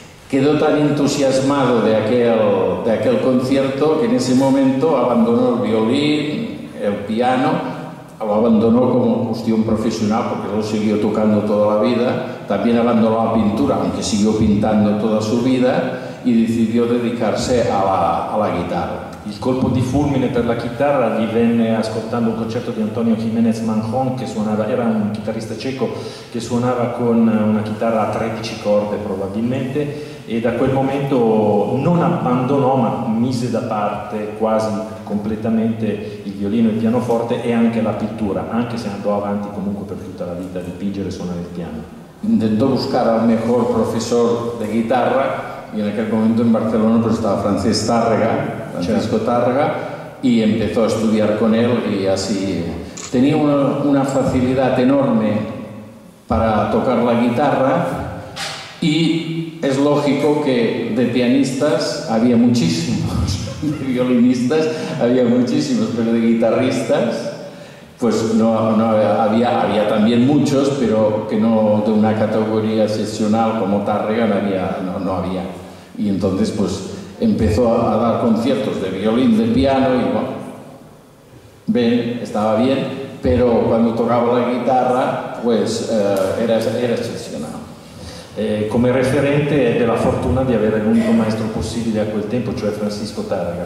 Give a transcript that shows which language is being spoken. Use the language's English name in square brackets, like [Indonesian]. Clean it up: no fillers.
[Spanish] Quedó tan entusiasmado de aquel concierto que en ese momento abandonó el violín, el piano, lo abandonó como cuestión profesional porque lo siguió tocando toda la vida. También abandonó la pintura, aunque siguió pintando toda su vida, e decidió dedicarse [Italian] alla chitarra. Il colpo di fulmine per la chitarra gli venne ascoltando un concerto di Antonio Jiménez Manjón, che suonava, era un chitarrista cieco che suonava con una chitarra a 13 corde probabilmente, e da quel momento non abbandonò ma mise da parte quasi completamente il violino e il pianoforte e anche la pittura, anche se andò avanti comunque per tutta la vita a dipingere e suonare il piano. Intentò buscare al miglior professore di chitarra, in quel momento in Barcellona stava Francesc Tàrrega, Francesco Tàrrega, [Spanish] y empezó a estudiar con él, y así tenía una facilidad enorme para tocar la guitarra, y es lógico que de pianistas había muchísimos, de violinistas había muchísimos, pero de guitarristas pues no había también muchos, pero que no de una categoría excepcional como Tàrrega no había, y entonces pues empezó a dar conciertos de violín, de piano, y bueno, bien, estaba bien, pero cuando tocaba la guitarra, pues era excepcional. [Italian] Come referente ebbe la fortuna di avere l'unico maestro possibile a quel tempo, cioè Francisco Tàrrega.